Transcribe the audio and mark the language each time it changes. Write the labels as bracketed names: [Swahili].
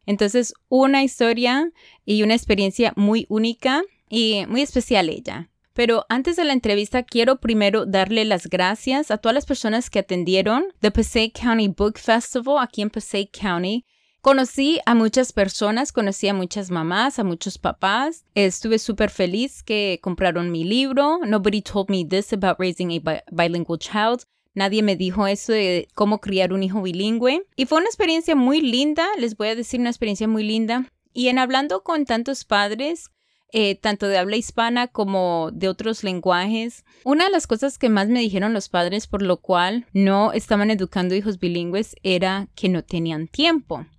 [Spanish] Entonces, una historia y una experiencia muy única y muy especial ella. Pero antes de la entrevista, quiero primero darle las gracias a todas las personas que atendieron The Passaic County Book Festival aquí en Passaic County. Conocí a muchas personas, conocí a muchas mamás, a muchos papás. Estuve súper feliz que compraron mi libro. [English] Nobody told me this about raising a bilingual child. [Spanish] Nadie me dijo eso de cómo criar un hijo bilingüe. Y fue una experiencia muy linda, les voy a decir, una experiencia muy linda. Y en hablando con tantos padres, tanto de habla hispana como de otros lenguajes, una de las cosas que más me dijeron los padres por lo cual no estaban educando hijos bilingües era que no tenían tiempo.